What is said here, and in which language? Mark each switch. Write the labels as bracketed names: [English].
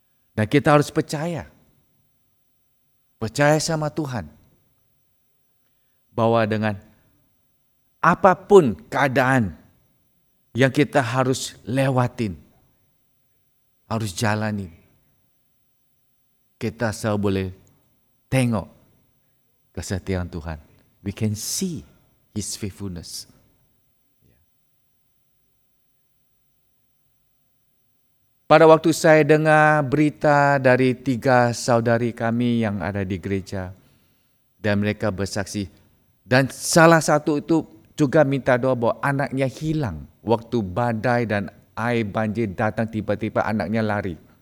[Indonesian] Dan kita harus percaya, percaya sama Tuhan, bahwa dengan apapun keadaan yang kita harus lewatin, harus jalani, kita selalu boleh tengok kesetiaan Tuhan. [English] We can see His faithfulness. [Indonesian] Pada waktu saya dengar berita dari 3 saudari kami yang ada di gereja, dan mereka bersaksi, dan salah satu itu juga minta doa bahwa anaknya hilang waktu badai dan air banjir datang, tiba-tiba anaknya lari.